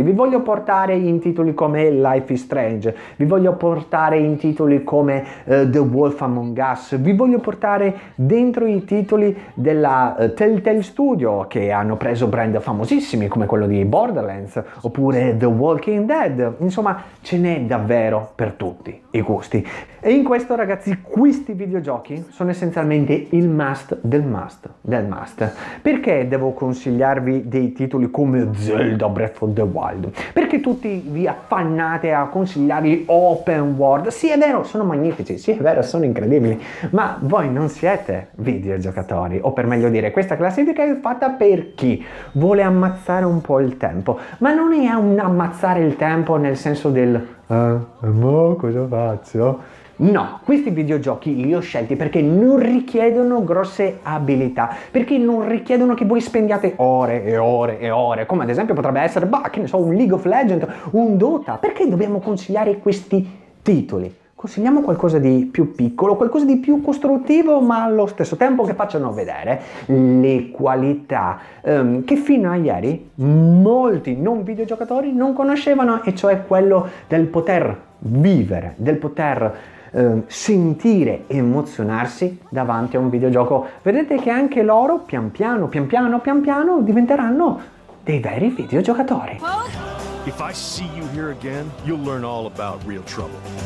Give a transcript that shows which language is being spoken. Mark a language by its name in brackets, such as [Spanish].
[Italian] Vi voglio portare in titoli come Life is Strange, vi voglio portare in titoli come The Wolf Among Us, vi voglio portare dentro i titoli della Telltale Studio, che hanno preso brand famosissimi come quello di Borderlands, oppure The Walking Dead. Insomma, ce n'è davvero per tutti i gusti. E in questo, ragazzi, questi videogiochi sono essenzialmente il must del must del must. Perché devo consigliarvi dei titoli come come Zelda Breath of the Wild. Perché tutti vi affannate a consigliargli open world? Sì, è vero, sono magnifici, sì, è vero, sono incredibili, ma voi non siete videogiocatori, o per meglio dire, questa classifica è fatta per chi vuole ammazzare un po' il tempo, ma non è un ammazzare il tempo nel senso del cosa faccio? No, questi videogiochi li ho scelti perché non richiedono grosse abilità, perché non richiedono che voi spendiate ore e ore e ore, come ad esempio potrebbe essere, che ne so, un League of Legends, un Dota. Perché dobbiamo consigliare questi titoli? Consigliamo qualcosa di più piccolo, qualcosa di più costruttivo, ma allo stesso tempo che facciano vedere le qualità che fino a ieri molti non videogiocatori non conoscevano, e cioè quello del poter vivere, del poter sentire, emozionarsi davanti a un videogioco. Vedete che anche loro pian piano diventeranno dei veri videogiocatori. [English] If I see you here again, you'll learn all about real trouble.